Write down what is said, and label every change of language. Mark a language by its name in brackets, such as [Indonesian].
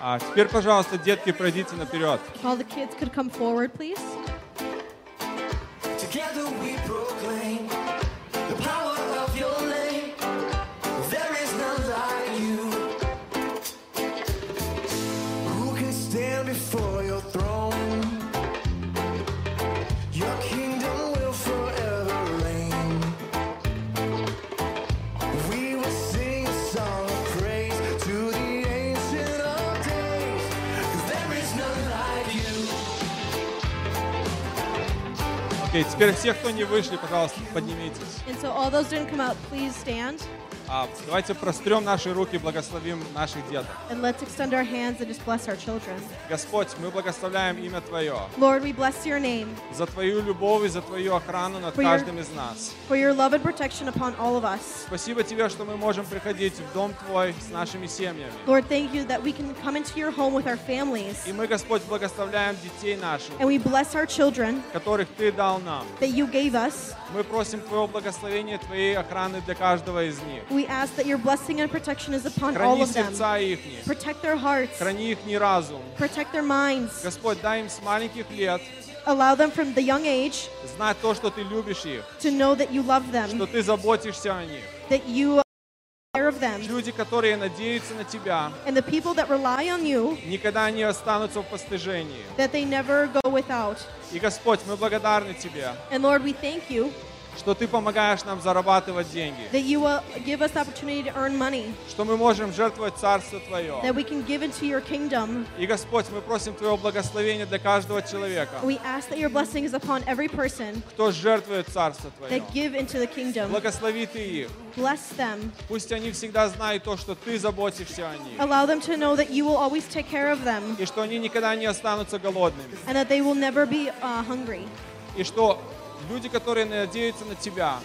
[Russian] Теперь, пожалуйста, детки, пройдите наперед. [English] All the kids could come forward, please. Together we proclaim the power of your name. There is none like you. Who can stand before your throne? Your kingdom will forever reign. We will sing a song of praise to the ancient of days. There is none like you. [Russian] Окей, теперь все, кто не вышли, пожалуйста, поднимитесь. [English] And so all those didn't come out, please stand. [Russian] Давайте прострем наши руки и благословим наших деток. [English] And let's extend our hands and just bless our children. [Russian] Господь, мы благословляем имя Твое. [English] Lord, we bless your name. [Russian] За Твою любовь и за Твою охрану над каждым из нас. [English] For your love and protection upon all of us. [Russian] Спасибо Тебе, что мы можем приходить в дом Твой с нашими семьями. [English] Lord, thank you that we can come into your home with our families. [Russian] И мы, Господь, благословляем детей наших. [English] And we bless our children. [Russian] Которых Ты дал нам. [English] That you gave us. [Russian] Мы просим Твоего благословения, Твоей охраны для каждого из них. [English] We ask that your blessing and protection is upon [Russian] Храни [English] all of them. [Russian] Сердца ихни. [English] Protect their hearts. [Russian] Храни ихни разум. [English] Protect their minds. [Russian] Господь, дай им с маленьких лет. [English] Allow them from the young age. [Russian] Знать то, что ты любишь их. [English] To know that you love them. [Russian] Что ты заботишься о них. [English] That you care of them. [Russian] Люди, которые надеются на тебя. [English] And the people that rely on you. [Russian] Никогда не останутся в постыжении. [English] That they never go without. [Russian] И Господь, мы благодарны тебе. [English] And Lord, we thank you. [Russian] Что ты помогаешь нам зарабатывать деньги. [English] That you will give us opportunity to earn money. [Russian] Что мы можем жертвовать Царство Твое. [English] That we can give into your kingdom. [Russian] И Господь, мы просим Твоего благословения для каждого человека. [English] We ask that your blessing is upon every person. [Russian] Кто жертвует Царство Твое. [English] That give into the kingdom. [Russian] Благослови Ты их. [English] Bless them. [Russian] Пусть они всегда знают то, что Ты заботишься о них. [English] Allow them to know that you will always take care of them. [Russian] И что они никогда не останутся голодными. [English] And that they will never be hungry. [Russian] И что люди, которые надеются на тебя,